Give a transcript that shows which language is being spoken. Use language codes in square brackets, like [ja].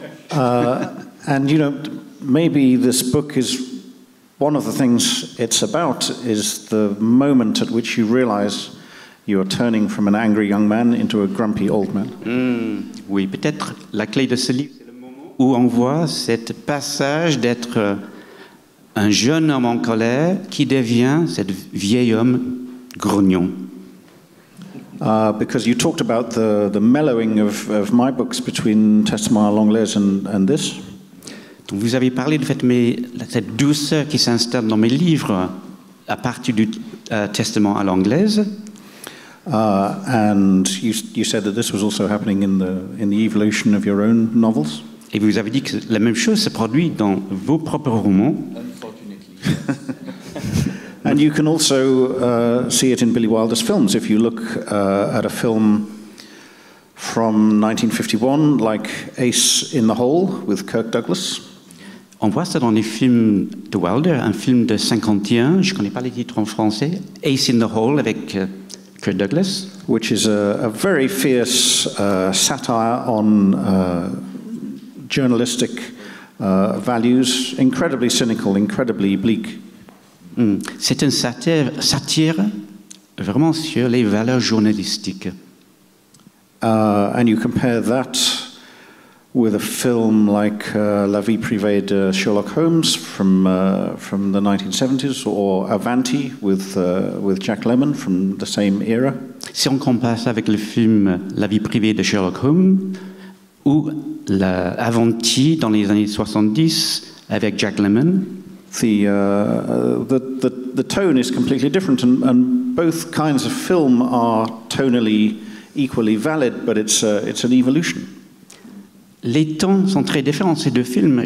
[en] And you know, maybe this book is one of the things it's about is the moment at which you realize you are turning from an angry young man into a grumpy old man. [fr] Oui, peut-être la clé de ce livre, c'est le moment où on voit cette passage d'être un jeune homme en colère qui devient cet vieil homme grognon. [en] Because you talked about the mellowing of my books between Testament à l'anglaise and this. [fr] Donc vous avez parlé de fait, mais cette douceur qui s'installe dans mes livres à partir du Testament à l'anglaise. [en] And you said that this was also happening in the evolution of your own novels. [fr] Et vous avez dit que la même chose se produit dans vos propres romans. [en] And you can also see it in Billy Wilder's films. If you look at a film from 1951, like Ace in the Hole with Kirk Douglas. [fr] On voit ça dans les films de Wilder, un film de 51, je ne connais pas les titres en français, Ace in the Hole avec Kirk Douglas. [en] Which is a very fierce satire on journalistic values, incredibly cynical, incredibly bleak. [fr] C'est une satire vraiment sur les valeurs journalistiques. [en] And you compare that with a film like La Vie Privée de Sherlock Holmes from the 1970s, or Avanti with Jack Lemmon from the same era. [fr] Si on compare ça avec le film La Vie Privée de Sherlock Holmes ou la Avanti dans les années 70 avec Jack Lemmon. [en] The tone is completely different, and both kinds of film are tonally equally valid, but it's an evolution. [fr] Les temps sont très différents, ces deux films.